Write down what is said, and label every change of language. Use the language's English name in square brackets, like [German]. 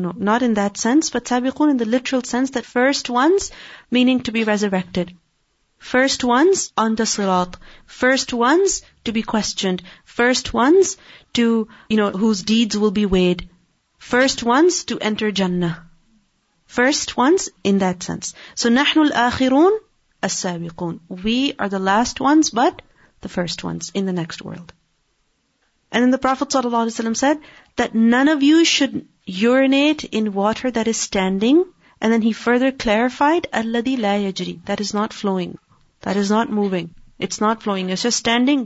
[English] No, not in that sense, but sabiqun in the literal sense that first ones, meaning to be resurrected. First ones on the sirat. First ones to be questioned. First ones to, you know, whose deeds will be weighed. First ones to enter Jannah. First ones in that sense. [Arabic] So, نحن الآخرون السابقون. [English] We are the last ones, but the first ones in the next world. And then the Prophet ﷺ said that none of you should urinate in water that is standing. And then he further clarified, [Arabic] الذي لا يجري, [English] that is not flowing. That is not moving. It's not flowing. It's just standing.